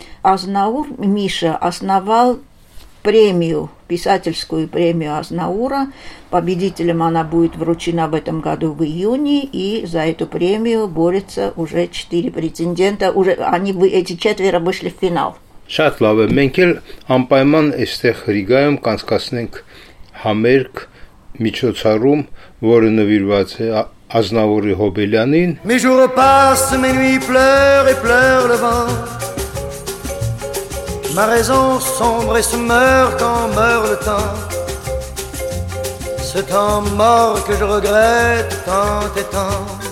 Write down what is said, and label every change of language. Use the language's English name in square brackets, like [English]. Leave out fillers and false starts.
[Russian] Азнаур, Миша, основал премию, писательскую премию Азнаура, победителем она будет вручена в этом году в июне, и за эту премию борются уже 4 претендента, уже они, эти четверо вышли в финал. [Armenian] Շատ լավ է, մենք էլ անպայման այստեղ Ռիգայում կանցկացնենք համերգ միջոցառում, որը նվիրված է Ազնավուրի Հոբելյանին։ [French] Mes jours passent, mes nuits pleurent et pleure le vent. Ma raison sombre et se meurt quand meurt le temps. Ce temps mort que je regrette tant et tant.